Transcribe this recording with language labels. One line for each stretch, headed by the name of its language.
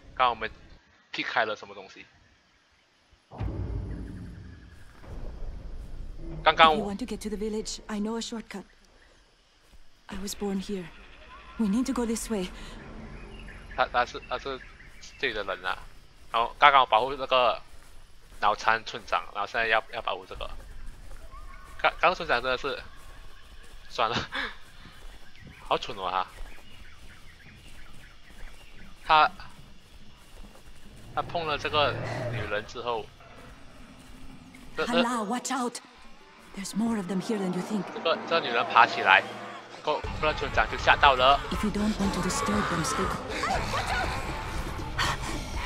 Chinese: 刚刚我们劈开了什么东西？刚刚我。
English: If you want to get to the village, I know a shortcut. I was born here. We need to go this way.
Chinese: 他是这里的人啊，然后刚刚保护那个脑残村长，然后现在要保护这个。刚村长真的是，算了，好蠢啊！他碰了这个女人之后，
English: Hala, watch out! There's more of them here than you think.
Chinese: 这女人爬起来，那村长就吓到了。
English: If you don't want to disturb them, stay calm.